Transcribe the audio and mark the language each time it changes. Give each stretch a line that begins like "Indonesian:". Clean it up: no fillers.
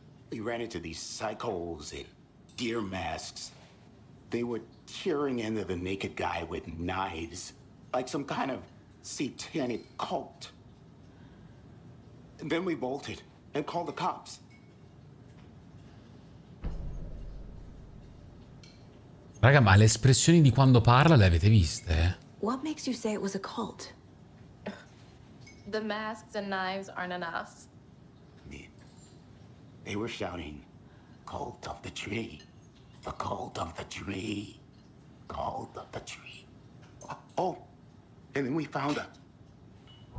English: We ran into these psychos in deer masks. They were tearing into the naked guy with knives, like some kind of satanic cult. And then we bolted and called the cops.
Italian: Raga, ma le espressioni di quando parla le avete viste?
English: What makes you say it was a cult? The masks and knives aren't enough. They were shouting, cult of the tree. The cult of the tree. Cult of the tree. Oh, and then we found it.